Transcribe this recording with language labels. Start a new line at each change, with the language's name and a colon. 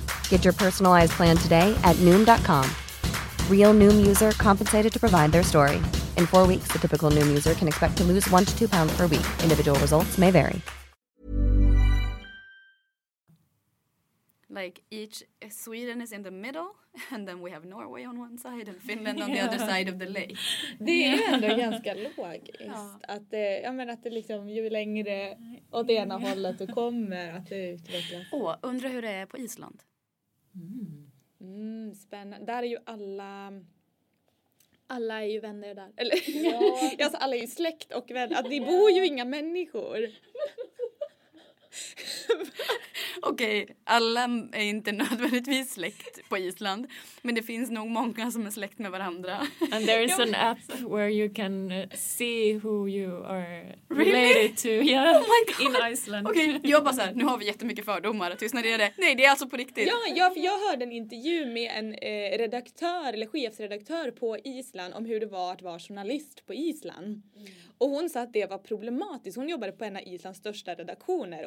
English: Get your personalized plan today at Noom.com. Real Noom user compensated to provide their story. In 4 weeks, the typical Noom user can expect to lose 1 to 2 pounds per week. Individual results may vary. Like each Sweden is in the middle and then we have Norway on one side and Finland on the other side of the lake.
Swedish: Det är ändå ganska logiskt att det, jag menar att det liksom ju längre åt ena hållet du kommer att det utvecklas. Åh, undrar hur det är på Island. Mm, spännande. Där är ju alla är ju vänner där. Eller, ja. Alltså, alla är ju släkt och vänner. Att det bor ju inga människor. Okej, alla är inte nödvändigtvis släkt på Island, men det finns nog många som är släkt med varandra.
English: And there is an app where you can see who you are related really? To. Yeah. Oh my god. In Iceland.
Swedish: Okej,
English: okay.
Swedish: Jag bara så här, nu har vi jättemycket fördomar. Tystnar det är det. Nej, det är alltså på riktigt. Ja, jag hörde en intervju med en redaktör eller chefsredaktör på Island om hur det var att vara journalist på Island. Mm. Och hon sa att det var problematiskt. Hon jobbade på en av Islands största redaktioner.